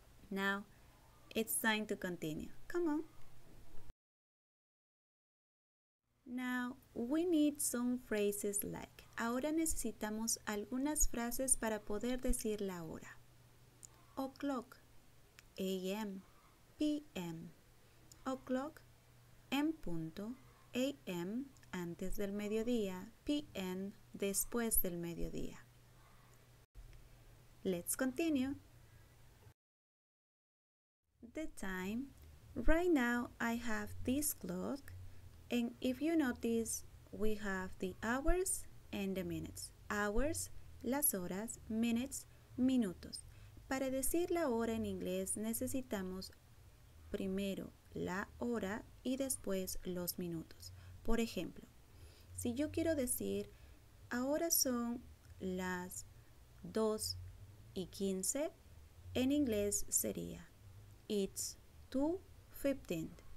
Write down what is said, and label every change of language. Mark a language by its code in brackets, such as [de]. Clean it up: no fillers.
[en] Now, it's time to continue. Come on. Now, we need some phrases like. [es] Ahora necesitamos algunas frases para poder decir la hora. [en] O'clock, a.m., p.m., o'clock, [es] en punto, a.m., antes del mediodía, p.m., después del mediodía. [en] Let's continue. The time, right now I have this clock, and if you notice, we have the hours and the minutes. Hours, [es] las horas, minutes, minutos. Para decir la hora en inglés necesitamos primero la hora y después los minutos. Por ejemplo, si yo quiero decir ahora son las 2 y 15, en inglés sería [en] It's 2:15.